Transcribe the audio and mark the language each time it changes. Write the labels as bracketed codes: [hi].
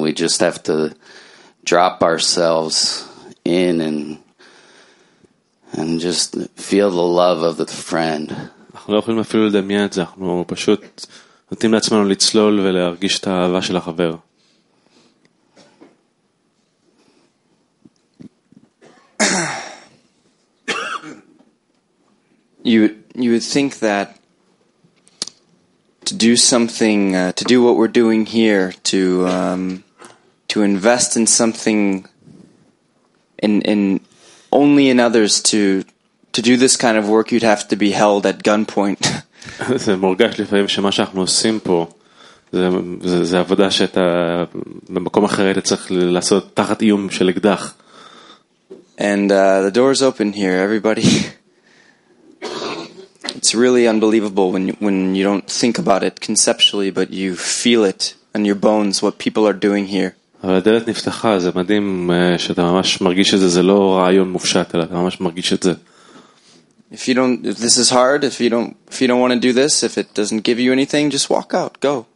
[en] We just have to drop ourselves in and just feel the love of the friend. [he] אנחנו לא יכולים אפילו לדמיין את זה, אנחנו פשוט נותנים לעצמנו לצלול ולהרגיש את האהבה של החבר. [en] You would think that to do something to do what we're doing here, to invest in something in only in others, to do this kind of work, you'd have to be held at gunpoint. [he] זה מורגש לפעמים שמה שאנחנו עושים פה, זה עבודה שאתה במקום אחר היית צריך לעשות תחת איום של אקדח. [en] And the door's open here, everybody. It's really unbelievable when you don't think about it conceptually, but you feel it in your bones what people are doing here. [he] אבל הדלת נפתחה, זה מדהים שאתה ממש מרגיש את זה, זה לא רעיון מופשט, אלא אתה ממש מרגיש את זה. [en] If this is hard, if you don't want to do this, if it doesn't give you anything, just walk out, go.